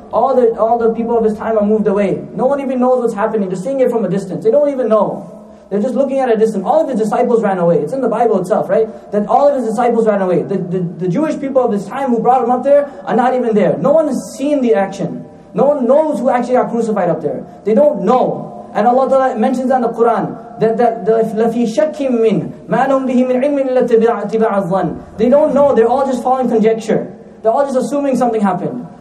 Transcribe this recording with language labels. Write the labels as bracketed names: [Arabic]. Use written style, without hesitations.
[English] All the people of his time are moved away. No one even knows what's happening. They're seeing it from a distance. They don't even know. They're just looking at a distance. All of his disciples ran away. It's in the Bible itself, right? That all of his disciples ran away. The Jewish people of his time who brought him up there are not even there. No one has seen the action. No one knows who actually got crucified up there. They don't know. And Allah Ta'ala mentions in the Quran that [Arabic] لَفِي شَكِّمْ مِنْ مَا لَهُمْ بِهِ مِنْ عِلْمٍ إِلَّا تِبَعَ الظَّنِ. [English] They don't know. They're all just following conjecture. They're all just assuming something happened.